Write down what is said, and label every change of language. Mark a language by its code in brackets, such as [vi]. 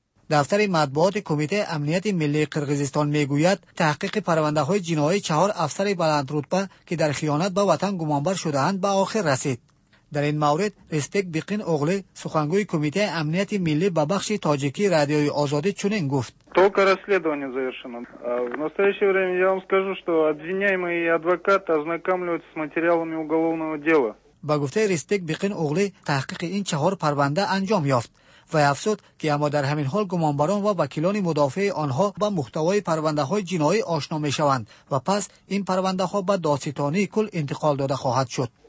[fa] دفتر مطبوعات کمیته امنیت ملی قرقیزستان میگوید تحقیق پرونده های جنایی چهار افسر بلندرتبه که در خیانت به وطن گمانبر شده اند به آخر رسید. در این مورد رستگ بیقین اوغلی سخنگوی کمیته امنیت ملی به بخش تاجیکی رادیوی آزادی چنین گفت: [ru] Только расследование завершено. В настоящее время я вам скажу, что обвиняемые и адвокаты ознакомляются с материалами уголовного дела. [fa] با گفته رستگ بیقین اوغلی تحقیق این چهار پرونده انجام یافت. و افسود که اما در همین حال گمانبران و وکیلان مدافع آنها با محتوای پرونده های جنایی آشنا می شوند و پس این پرونده ها به دادستانی کل انتقال داده خواهد شد.